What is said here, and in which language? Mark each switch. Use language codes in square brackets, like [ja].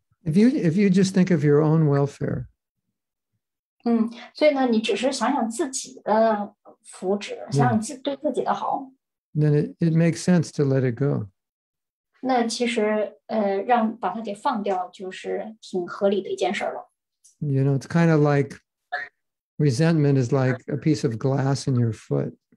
[en] If you just think of your own welfare. [zh] 所以呢，你只是想想自己的福祉，想想自对自己的好。 [en] Then it makes sense to let it go. [zh] 那其实，让把它给放掉，就是挺合理的一件事了。 [en] You know, it's kind of like resentment is like a piece of glass in your foot.